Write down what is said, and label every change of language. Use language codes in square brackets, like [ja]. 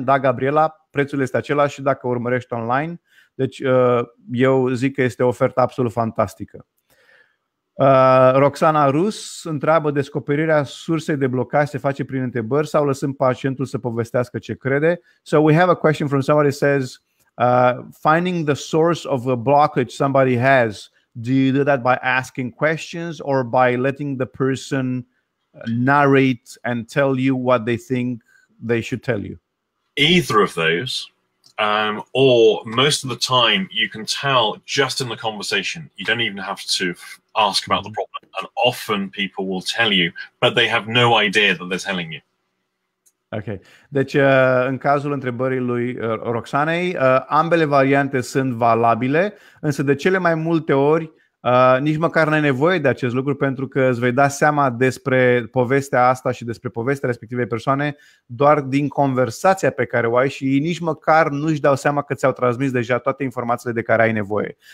[ro] Da, Gabriela, prețul este același și dacă urmărești online. Deci eu zic că este o ofertă absolut fantastică. Roxana Rus întreabă, descoperirea sursei de blocaj se face prin întrebări sau lăsând pacientul să povestească ce crede? [en] So we have a question from somebody who says, finding the source of a blockage somebody has, do you do that by asking questions or by letting the person narrate and tell you what they think they should tell you? Either of those. Or most of the time you can tell just in the conversation. You don't even have to ask about the problem. And often people will tell you, but they have no idea that they're telling you. Okay. [ro] Deci, în cazul întrebării lui Roxanei, ambele variante sunt valabile, însă de cele mai multe ori nici măcar n-ai nevoie de acest lucru pentru că îți vei da seama despre povestea asta și despre povestea respectivei persoane doar din conversația pe care o ai și ei nici măcar nu-și dau seama că ți-au transmis deja toate informațiile de care ai nevoie.